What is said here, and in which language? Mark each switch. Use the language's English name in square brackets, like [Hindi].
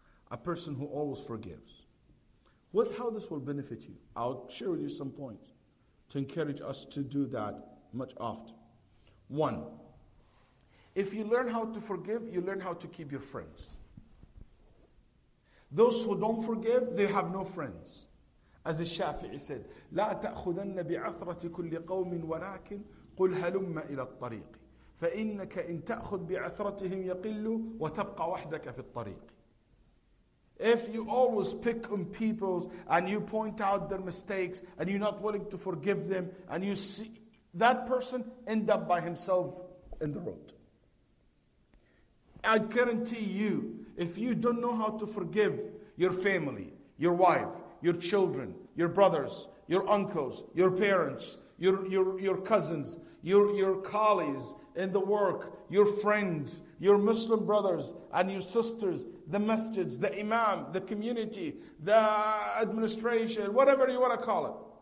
[English] A person who always forgives? How this will benefit you? I'll share with you some points to encourage us to do that much often. One, if you learn how to forgive, you learn how to keep your friends. Those who don't forgive, they have no friends. As Shafi'i said, [Arabic] لا تأخذن بعثرة كل قوم ولكن قل هلم إلى الطريق فإنك إن تأخذ بعثرتهم يقل وتبقى وحدك في الطريق. [English] If you always pick on people and you point out their mistakes and you're not willing to forgive them and you see that person end up by himself in the road. I guarantee you, if you don't know how to forgive your family, your wife, your children, your brothers, your uncles, your parents, your cousins, your colleagues in the work, your friends, your Muslim brothers and your sisters, the masjids, the imam, the community, the administration, whatever you want to call it.